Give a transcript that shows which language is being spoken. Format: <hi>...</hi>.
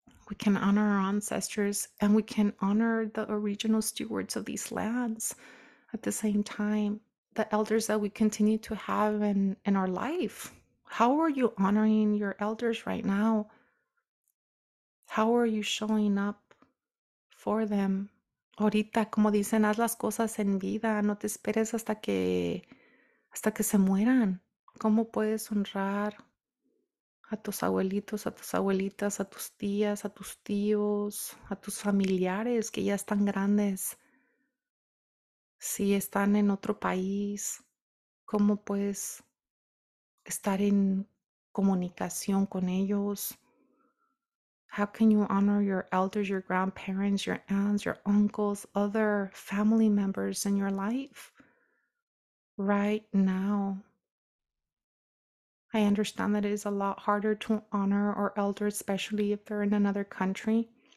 <en>We can honor our ancestors and we can honor the original stewards of these lands at the same time, the elders that we continue to have in our life. How are you honoring your elders right now? How are you showing up for them?</en> <es>Ahorita, como dicen, haz las cosas en vida, no te esperes hasta que se mueran. ¿Cómo puedes honrar a tus abuelitos, a tus abuelitas, a tus tías, a tus tíos, a tus familiares que ya están grandes? Si están en otro país, ¿cómo puedes estar en comunicación con ellos?</es> <en>How can you honor your elders, your grandparents, your aunts, your uncles, other family members in your life right now? I understand that it is a lot harder to honor our elders, especially if they're in another country.</en>